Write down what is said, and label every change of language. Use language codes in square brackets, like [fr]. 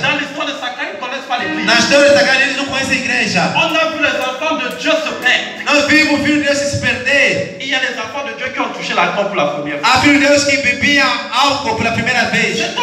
[pt] Na história de Sacária, eles não conhecem a igreja. [fr] On a vu les enfants de Dieu se perdre. [pt] Nós vimos o filho de Deus se perder. [fr] Il y a les enfants de Dieu qui ont touché la coupe la première fois. [pt] Há filhos de Deus que bebiam álcool pela primeira vez.